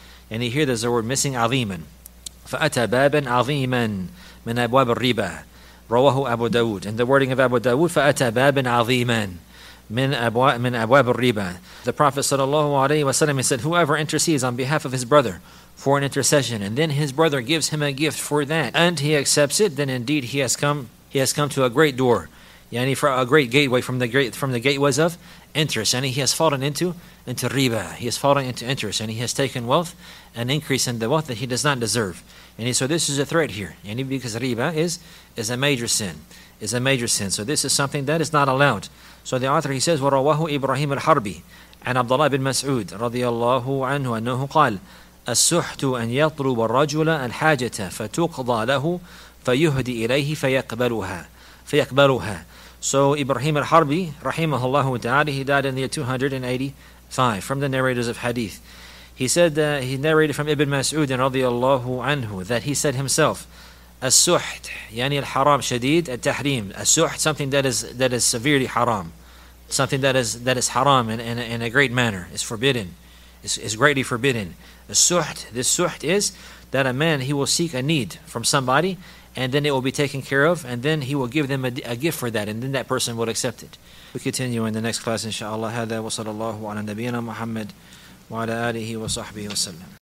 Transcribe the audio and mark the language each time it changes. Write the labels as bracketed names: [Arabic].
[English] And you hear there's a word missing, عظيما. [Arabic] فأتى بابا عظيما من أبواب الربا رواه أبو داود. [English] In the wording of Abu Dawood, [Arabic] فأتى بابا عظيما من أبواب الربا. [English] The Prophet [Arabic] صلى الله عليه وسلم [English] said, whoever intercedes on behalf of his brother for an intercession and then his brother gives him a gift for that and he accepts it, then indeed he has come to a great door, yani for a great gateway from the gateways of interest. And he has fallen into riba. He has fallen into interest and he has taken wealth, an increase in the wealth that he does not deserve. And so this is a threat here. And because riba is a major sin. So this is something that is not allowed. So the author, he says, [Arabic] وَرَوَّهُ إِبْرَاهِيمُ الْحَرْبِ عَنْ عَبْدَ اللَّهِ بِنْ مَسْعُودِ رَضِيَ اللَّهُ عَنْهُ أَنَّهُ قَالَ السُّحْتُ أَنْ يَطْلُبَ الرَّجُلَ الْحَاجَةَ فَتُقْضَى لَهُ فَيُهْدِ إِلَيْهِ فَيَقْبَلُهَا. [English] So Ibrahim al-Harbi, rahimahullah ta'ala, he died in the year 285 from the narrators of hadith. He said, he narrated from Ibn Mas'ud radiallahu anhu that he said himself, as-suht, yani al-haram shadid, al-tahrim, as-suht, something that is severely haram, something that is haram in a great manner, is forbidden, is greatly forbidden. As-suht, this suht is that a man, he will seek a need from somebody, and then it will be taken care of, and then he will give them a gift for that, and then that person will accept it. We continue in the next class, inshallah. [Arabic] هذا وصلى الله على نبينا محمد وعلى آله وصحبه وسلم.